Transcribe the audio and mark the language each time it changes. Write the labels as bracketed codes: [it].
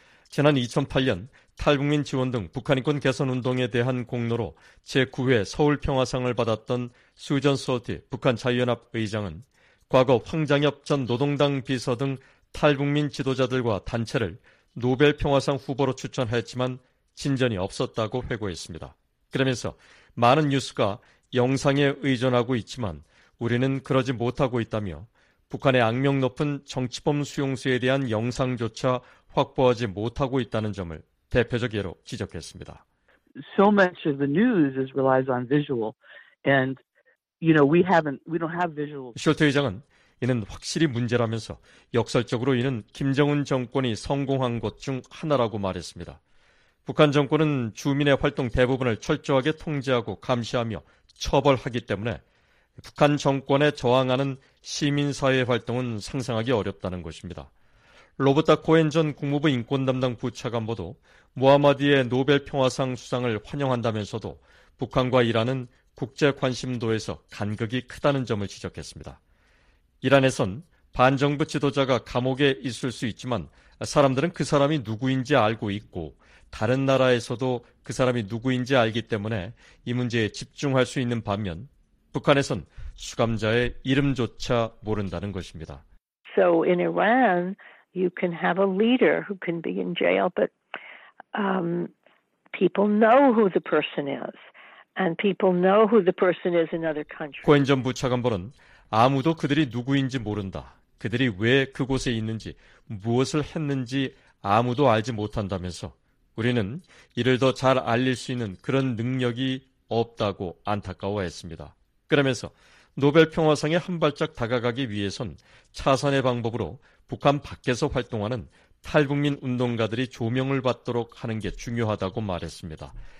[ko] 지난 2008년 탈북민 지원 등 북한 인권 개선 운동에 대한 공로로 제9회 서울 평화상을 받았던 수전 소티 북한 자유연합 의장은 과거 황장엽 전 노동당 비서 등 탈북민 지도자들과 단체를 노벨 평화상 후보로 추천했지만 진전이 없었다고 회고했습니다. 그러면서 많은 뉴스가 영상에 의존하고 있지만 우리는 그러지 못하고 있다며 북한의 악명 높은 정치범 수용소에 대한 영상조차 확보하지 못하고 있다는 점을 대표적 예로 지적했습니다. [en] So much of the news is relies on visual and you know we don't have visual. [ko] 쇼트 의장은 이는 확실히 문제라면서 역설적으로 이는 김정은 정권이 성공한 것 중 하나라고 말했습니다. 북한 정권은 주민의 활동 대부분을 철저하게 통제하고 감시하며 처벌하기 때문에 북한 정권에 저항하는 시민사회 활동은 상상하기 어렵다는 것입니다. 로버타 코엔 전 국무부 인권담당 부차관보도 무하마디의 노벨평화상 수상을 환영한다면서도 북한과 이란은 국제 관심도에서 간극이 크다는 점을 지적했습니다. 이란에선 반정부 지도자가 감옥에 있을 수 있지만 사람들은 그 사람이 누구인지 알고 있고 다른 나라에서도 그 사람이 누구인지 알기 때문에 이 문제에 집중할 수 있는 반면 북한에선 수감자의 이름조차 모른다는 것입니다. [en] So in Iran, you can have a leader who can be in jail, but people know who the person is, and people know who the person is in other countries. [ko] 코엔 전 부차관보는 아무도 그들이 누구인지 모른다. 그들이 왜 그곳에 있는지, 무엇을 했는지 아무도 알지 못한다면서 우리는 이를 더 잘 알릴 수 있는 그런 능력이 없다고 안타까워했습니다. 그러면서 노벨 평화상에 한 발짝 다가가기 위해선 차선의 방법으로 북한 밖에서 활동하는 탈북민 운동가들이 조명을 받도록 하는 게 중요하다고 말했습니다.